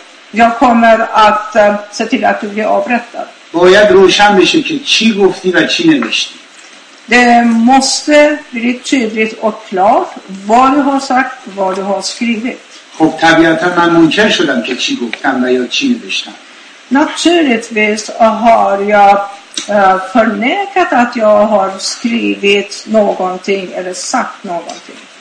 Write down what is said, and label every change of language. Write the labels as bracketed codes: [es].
[sv] Jag kommer att se till att du blir avrättad. [fa] باید روشن بشه که چی گفتی و چی نوشتی. [sv] Det måste bli tydligt och klart vad du har sagt, vad du har skrivit. [fa] خب طبیعتاً من منکر شدم که چی گفتم و یا چی نوشتم. [sv] Naturligtvis har jag förnekat att jag har skrivit någonting eller sagt någonting.